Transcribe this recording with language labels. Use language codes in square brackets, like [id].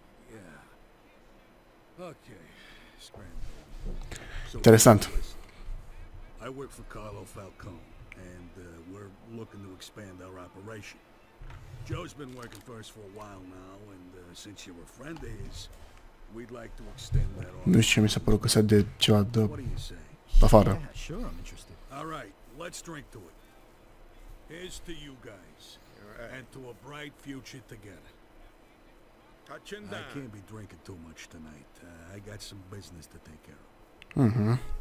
[en] Yeah. Okay. Scramble. So interessant. I work for Carlo Falcone, and we're looking to expand our operation. Joe's been working for us for a while now, and since you're a friend of his, we'd like to extend that offer. [ro] Nu știu ce mi s-a părut că se de ceva de afară. [en] Yeah, sure, I'm interested. All right, let's drink to it. Here's to you guys, right. And to a bright future together. Touching down. I can't be drinking too much tonight. I got some business to take care of.